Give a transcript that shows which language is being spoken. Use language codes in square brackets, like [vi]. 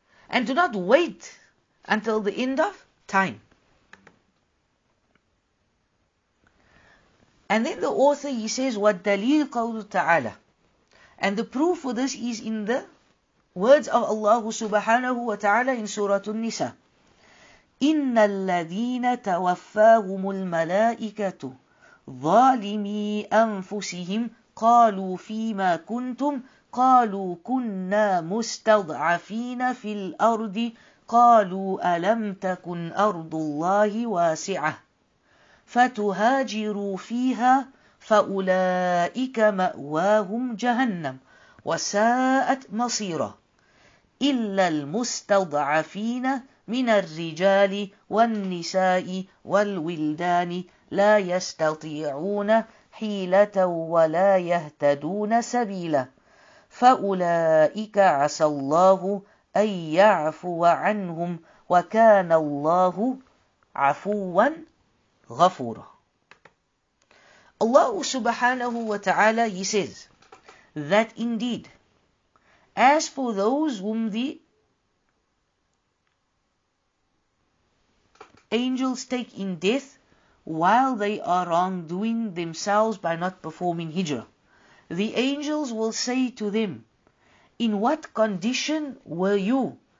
[en] And do not wait until the end of time. And then the author, he says, [ar] وَالدَّلِيلُ قَوْلُ تَعَالَى. [en] And the proof for this is in the words of Allah subhanahu wa ta'ala in Surah An-Nisa. [ar] إِنَّ الَّذِينَ تَوَفَّاهُمُ الْمَلَائِكَةُ ظَالِمِي أَنفُسِهِمْ قالوا فيما كنتم قالوا كنا مستضعفين في الأرض قالوا ألم تكن أرض الله واسعة فتهاجروا فيها فأولئك مأواهم جهنم وساءت مصيرا إلا المستضعفين من الرجال والنساء والولدان لا يستطيعون حيلة ولا يهتدون سبيلا فأولئك عسى الله أن يعفو عنهم وكان الله عفوا غفورا. [en] Allah subhanahu wa ta'ala, he says that indeed, as for those whom the angels take in death while they are wrongdoing themselves by not performing hijrah, the angels will say to them, in what condition were you?